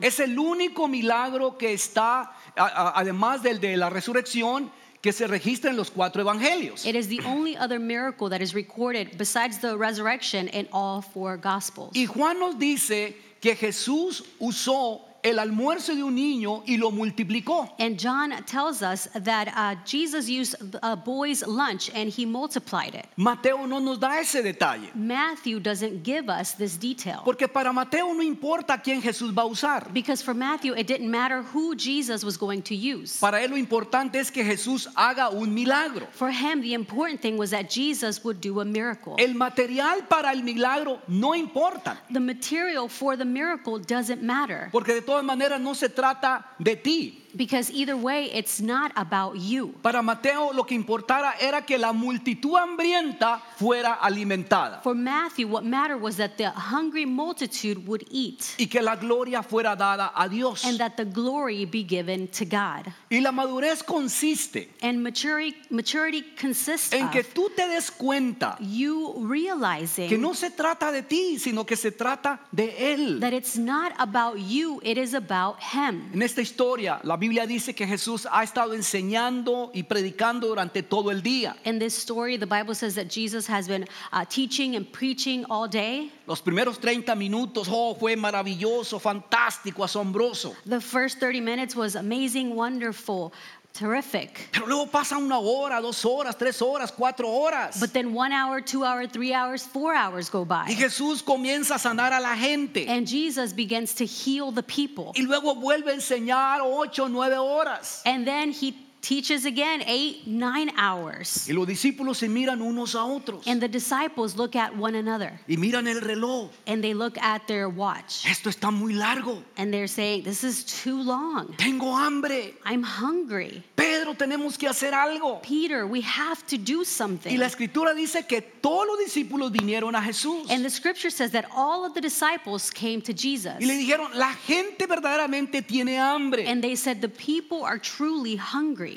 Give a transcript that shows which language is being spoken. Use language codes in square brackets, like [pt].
[es] Es el único milagro que está, además del de la resurrección, que se registra en los cuatro evangelios. [en] It is the only other miracle that is recorded besides the resurrection in all four gospels. [es] Y Juan nos dice que Jesús usó el almuerzo de un niño y lo multiplicó. [en] And John tells us that Jesus used a boy's lunch and he multiplied it. [es] Mateo no nos da ese detalle. [en] Matthew doesn't give us this detail. [es] Porque para Mateo no importa quién Jesús va a usar. [en] Because for Matthew it didn't matter who Jesus was going to use. [es] Para él lo importante es que Jesús haga un milagro. [en] For him the important thing was that Jesus would do a miracle. [es] El material para el milagro no importa. [en] The material for the miracle doesn't matter. [es] Porque de todas maneras no se trata de ti. [en] Because either way, it's not about you. [es] Para Mateo, lo que importara era que la multitud hambrienta fuera alimentada. [en] For Matthew, what mattered was that the hungry multitude would eat. [es] Y que la gloria fuera dada a Dios. [en] And that the glory be given to God. [es] Y la madurez consiste. [en] And maturity consists [es] en que tú te des cuenta. [en] You realizing [es] que no se trata de ti, sino que se trata de él. [en] That it's not about you, it is about him. [es] En esta historia, la Biblia dice que Jesús ha estado enseñando y predicando durante todo el día. [en] In this story, the Bible says that Jesus has been teaching and preaching all day. [es] Los primeros 30 minutos, oh, fue maravilloso, fantástico, asombroso. [en] The first 30 minutes was amazing, wonderful, terrific. [es] Pero luego pasa una hora, dos horas, tres horas, cuatro horas. [en] But then 1 hour, 2 hours, 3 hours, 4 hours go by. [es] Y Jesús comienza a sanar a la gente. [en] And Jesus begins to heal the people. [es] Y luego vuelve a enseñar 8 o 9 horas. [en] And then he teaches again 8, 9 hours. [es] Y los discípulos se miran unos a otros. [en] And the disciples look at one another. [es] Y miran el reloj. [en] And they look at their watch. [es] Esto está muy largo. [en] And they're saying, this is too long. [es] Tengo hambre. [en] I'm hungry. [es] Pedro, tenemos que hacer algo. [en] Peter, we have to do something. [es] Y la escritura dice que todos los discípulos vinieron a Jesús. [en] And the scripture says that all of the disciples came to Jesus. [es] Y le dijeron, la gente verdaderamente tiene hambre. [en] And they said, the people are truly hungry.